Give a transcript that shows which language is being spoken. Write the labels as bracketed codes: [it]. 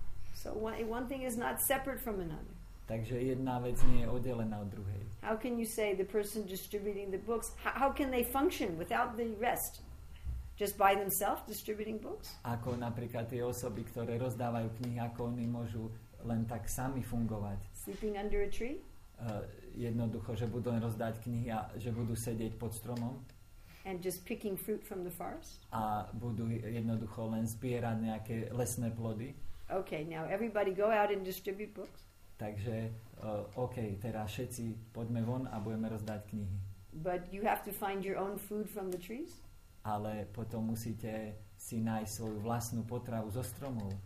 [en] So one thing is not separate from another. [sk] Takže jedna vec nie je oddelená od druhej. [en] How can you say the person distributing the books, how can they function without the rest? Just by themselves distributing books? [sk] Ako napríklad tie osoby, ktoré rozdávajú knihy, ako oni môžu len tak sami fungovať? [en] Sleeping under a tree? [sk] Jednoducho, že budú len rozdávať knihy a že budú sedieť pod stromom. [en] And just picking fruit from the forest? [sk] A budú jednoducho len zbierať nejaké lesné plody. [en] Okay, now everybody go out and distribute books. [sk] Takže, okay, teraz všetci poďme von a budeme rozdávať knihy. [en] But you have to find your own food from the trees? [sk] Ale potom musíte si nájsť svoju vlastnú potravu zo stromov.